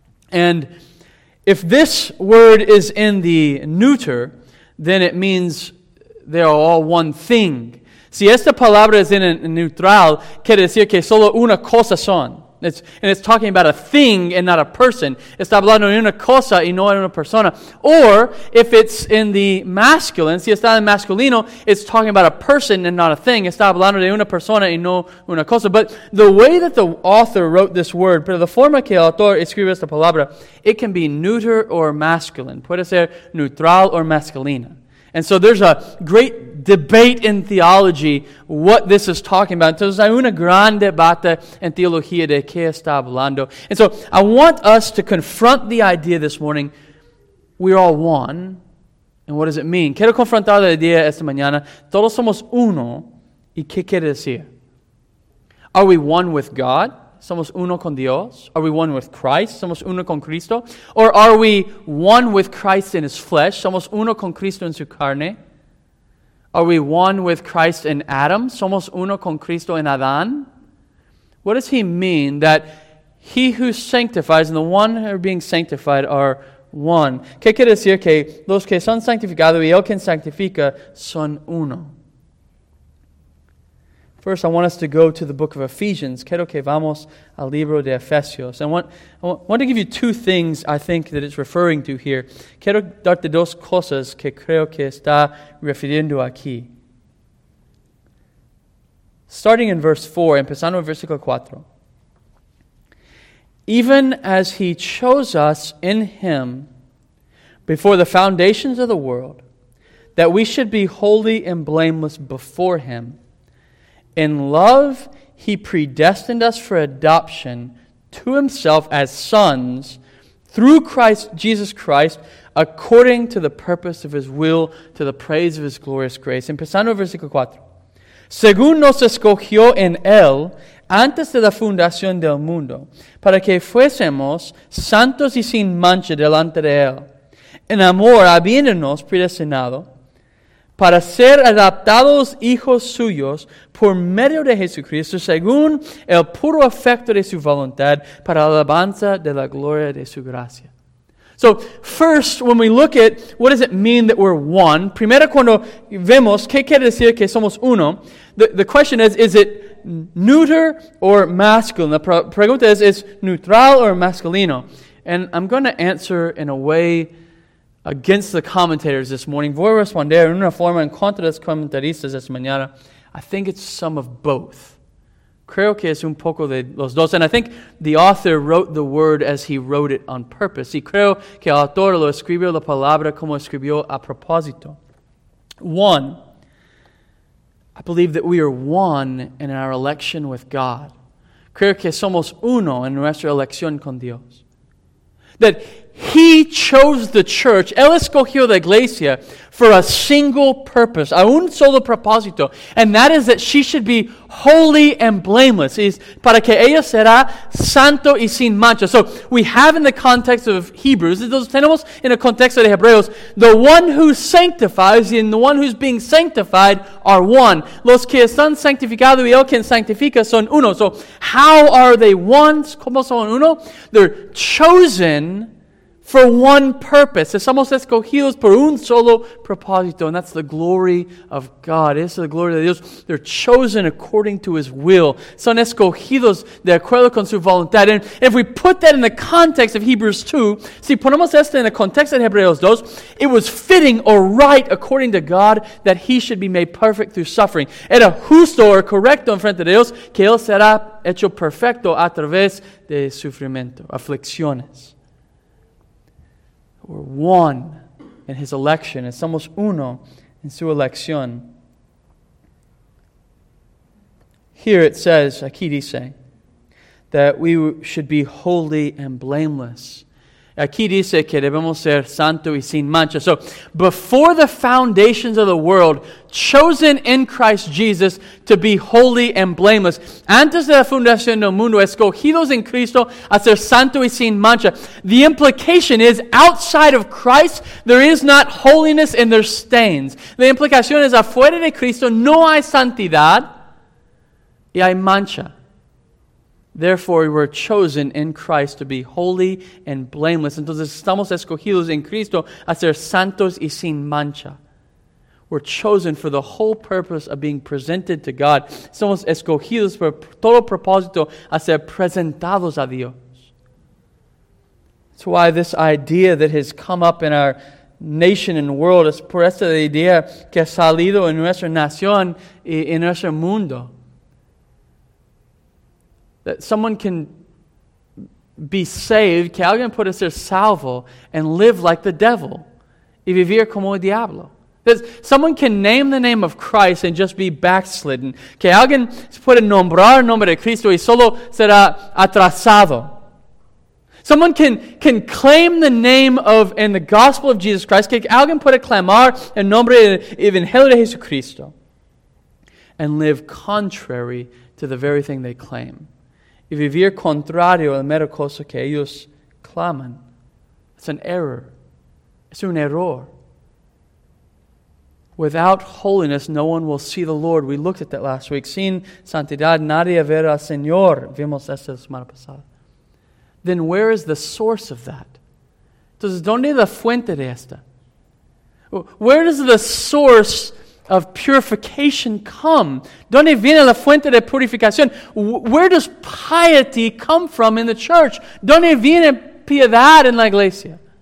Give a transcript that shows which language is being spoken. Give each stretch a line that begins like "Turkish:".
English: And if this word is in the neuter, then it means they are all one thing.
Spanish: Si esta palabra es en neutral, quiere decir que solo una cosa son.
English: It's talking about a thing and not a person.
Spanish: Está hablando de una cosa y no de una persona.
English: Or if it's in the masculine,
Spanish: si está en masculino,
English: it's talking about a person and not a thing.
Spanish: Está hablando de una persona y no una cosa.
English: But the way that the author wrote this word,
Spanish: pero la forma que el autor escribe esta palabra,
English: it can be neuter or masculine.
Spanish: Puede ser neutral or masculina.
English: And so there's a great debate in theology what this is talking about.
Spanish: Entonces hay una gran debate en teología de qué está hablando.
English: And so I want us to confront the idea this morning, we're all one, and what does it mean?
Spanish: Quiero confrontar la idea esta mañana, todos somos uno, ¿y qué quiere decir?
English: Are we one with God?
Spanish: ¿Somos uno con Dios?
English: Are we one with Christ?
Spanish: ¿Somos uno con Cristo?
English: Or are we one with Christ in his flesh?
Spanish: ¿Somos uno con Cristo en su carne?
English: Are we one with Christ in Adam?
Spanish: ¿Somos uno con Cristo en Adán?
English: What does he mean that he who sanctifies and the one who are being sanctified are one?
Spanish: ¿Qué quiere decir que los que son santificados y el que santifica son uno?
English: First, I want us to go to the book of Ephesians.
Spanish: Quiero que vamos al libro de Efesios.
English: I want to give you two things I think that it's referring to here.
Spanish: Quiero darte dos cosas que creo que está refiriendo aquí.
English: Starting in verse 4,
Spanish: empezando en versículo 4.
English: Even as he chose us in him before the foundations of the world, that we should be holy and blameless before him, in love, he predestined us for adoption to himself as sons through Christ Jesus Christ, according to the purpose of his will, to the praise of his glorious grace.
Spanish: Empezando en versículo 4. Según nos escogió en él antes de la fundación del mundo, para que fuésemos santos y sin mancha delante de él, en amor habiéndonos predestinado, para ser adaptados hijos suyos por medio de Jesucristo, según el puro afecto de su voluntad, para alabanza de la gloria de su gracia.
English: So, first, when we look at what does it mean that we're one,
Spanish: primero cuando vemos qué quiere decir que somos uno,
English: the question is it neuter or masculine?
Spanish: La pregunta es neutral or masculino?
English: And I'm going to answer in a way against the commentators this morning.
Spanish: Voy a responder en una forma en contra de los comentaristas esta mañana.
English: I think it's some of both.
Spanish: Creo que es un poco de los dos.
English: And I think the author wrote the word as he wrote it on purpose.
Spanish: Y creo que el autor lo escribió la palabra como escribió a propósito.
English: One, I believe that we are one in our election with God.
Spanish: Creo que somos uno en nuestra elección con Dios.
English: That he chose the church,
Spanish: él escogió la iglesia,
English: for a single purpose,
Spanish: a un solo propósito,
English: and that is that she should be holy and blameless,
Spanish: es para que ella será santo y sin mancha.
English: So, we have in the context of Hebrews,
Spanish: entonces tenemos en el contexto de Hebreos,
English: the one who sanctifies and the one who's being sanctified are one.
Spanish: Los que están santificados y el que santifica son uno.
English: So, how are they one?
Spanish: ¿Cómo son uno?
English: They're chosen for one purpose.
Spanish: Estamos escogidos por un solo propósito,
English: and that's the glory of God.
Spanish: Es la gloria de Dios.
English: They're chosen according to his will.
Spanish: Son escogidos de acuerdo con su voluntad.
English: And if we put that in the context of Hebrews 2,
Spanish: si ponemos esto en el contexto de Hebreos 2,
English: it was fitting or right according to God that he should be made perfect through suffering.
Spanish: Era justo or correcto en frente de Dios que él será hecho perfecto a través de sufrimiento, aflicciones.
English: We're one in his election.
Spanish: Somos uno en su elección.
English: Here it says,
Spanish: aquí dice,
English: that we should be holy and blameless.
Spanish: Aquí dice que debemos ser santo y sin mancha.
English: So, before the foundations of the world, chosen in Christ Jesus to be holy and blameless.
Spanish: Antes de la fundación del mundo, escogidos en Cristo a ser santo y sin mancha.
English: The implication is, outside of Christ, there is not holiness and there's stains.
Spanish: La implicación es, afuera de Cristo, no hay santidad y hay mancha.
English: Therefore, we were chosen in Christ to be holy and blameless.
Spanish: Entonces, estamos escogidos en Cristo a ser santos y sin mancha.
English: We're chosen for the whole purpose of being presented to God.
Spanish: Somos escogidos por todo propósito a ser presentados a Dios.
English: That's why this idea that has come up in our nation and world is
Spanish: por esta idea que ha salido en nuestra nación y en nuestro mundo.
English: That someone can be saved,
Spanish: que alguien puede ser salvo,
English: and live like the devil,
Spanish: y vivir como el diablo.
English: That someone can name the name of Christ and just be backslidden.
Spanish: Que alguien puede nombrar el nombre de Cristo y solo será atrasado.
English: Someone can claim the name of and the gospel of Jesus Christ.
Spanish: Que alguien puede clamar el nombre del Evangelio de Jesucristo
English: and live contrary to the very thing they claim.
Spanish: Y vivir contrario a la mera cosa que ellos claman.
English: It's an error. It's
Spanish: un error.
English: Without holiness, no one will see the Lord. We looked at that last week.
Spanish: Sin santidad, nadie verá al Señor. Vimos esta semana pasada.
English: Then where is the source of that?
Spanish: Entonces, ¿dónde la fuente de esta?
English: Where does the source of purification come?
Spanish: ¿Dónde viene la fuente de purificación?
English: Where does piety come from in the church?
Spanish: ¿Dónde viene piedad en la iglesia?